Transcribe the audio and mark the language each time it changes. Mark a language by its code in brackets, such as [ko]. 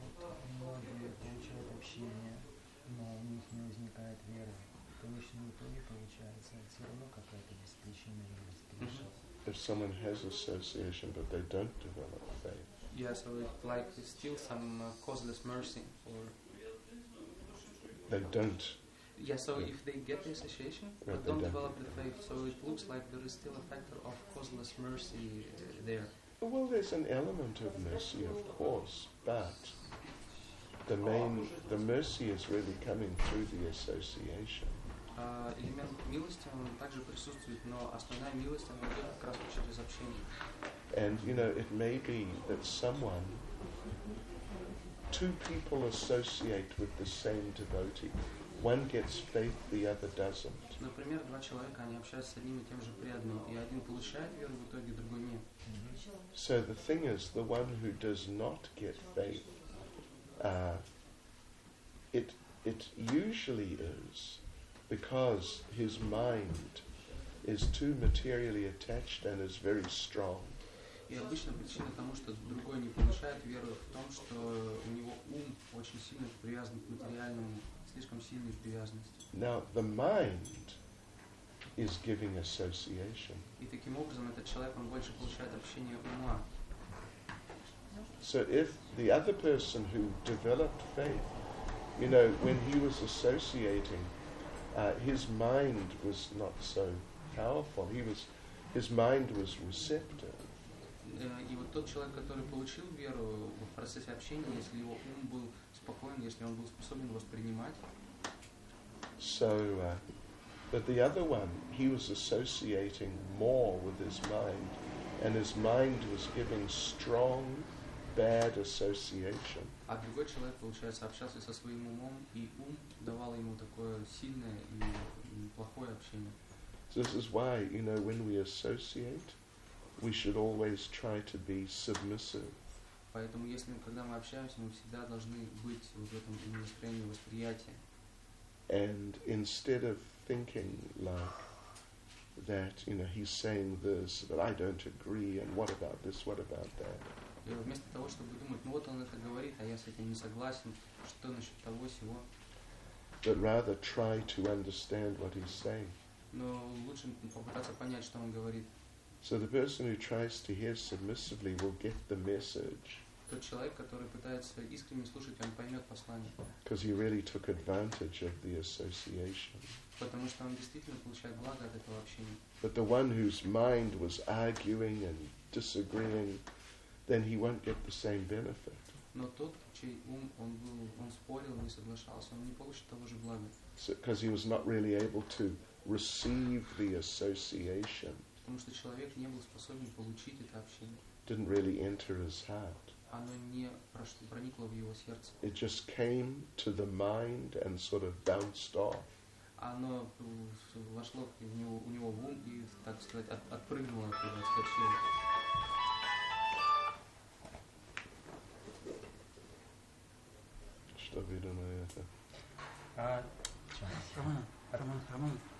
[ru] Вот многие получают общение, но у них не возникает веры. В конечном итоге получается все равно какая-то беспричинная ревность. [en] If someone has association but they don't develop faith. Yeah, so it's like it's still some causeless mercy or. They don't. Yeah, so if they get the association, but don't develop the faith, so it looks like there is still a factor of causeless mercy there. Well, there's an element of mercy, of course, but the mercy is really coming through the association. [ru] Элемент милости, он также присутствует, но основная милость, она идет как раз через общение. [en] And, you know, it may be that someone... Two people associate with the same devotee. One gets faith, the other doesn't. [ru] Например, два человека, они общаются с одним и тем же преданным, и один получает веру в итоге, другой нет. [en] So the thing is, the one who does not get faith, it usually is because his mind is too materially attached and is very strong. [ru] И обычно причина тому, что другой не получает веру, в том, что у него ум очень сильно привязан к материальному, слишком сильной привязанности. [en] Now the mind is giving association. [ru] И таким образом этот человек, он больше получает общение ума. [en] So if the other person who developed faith, you know, when he was associating, his mind was not so powerful. His mind was receptive. [ru] И вот тот человек, который получил веру в процессе общения, если его ум был спокоен, если он был способен воспринимать. [en] So, but the other one, he was associating more with his mind, and his mind was giving strong bad association. [ru] А другой человек, получается, общался со своим умом, и ум давал ему такое сильное и плохое общение. [en] This is why, you know, when we associate, we should always try to be submissive. [ru] Поэтому, если когда мы общаемся, мы всегда должны быть вот в этом настроении восприятия. [en] And instead of thinking like that, you know, he's saying this, but I don't agree, and what about this, what about that? [ru] И вместо того, чтобы думать, ну вот он это говорит, а я с этим не согласен, что насчет того сего? [en] But rather try to understand what he's saying. [ru] Но лучше попытаться понять, что он говорит. [en] So the person who tries to hear submissively will get the message. [ru] Тот человек, который пытается искренне слушать, он поймет послание. [en] Because he really took advantage of the association. [ru] Потому что он действительно получает благо от этого общения. [en] But the one whose mind was arguing and disagreeing, then he won't get the same benefit. [ru] Но тот, чей ум, он спорил, не соглашался, он не получит того же блага. [en] Because he was not really able to receive the association. [ru] Потому что человек не был способен получить это общение. [en] Didn't really enter his heart. [ru] Оно не проникло в его сердце. [en] It just came to the mind and sort of bounced off. [ru] Оно вошло в него, у него в ум и, так сказать, отпрыгнуло от него, отскочило. Что вы думаете? Роман.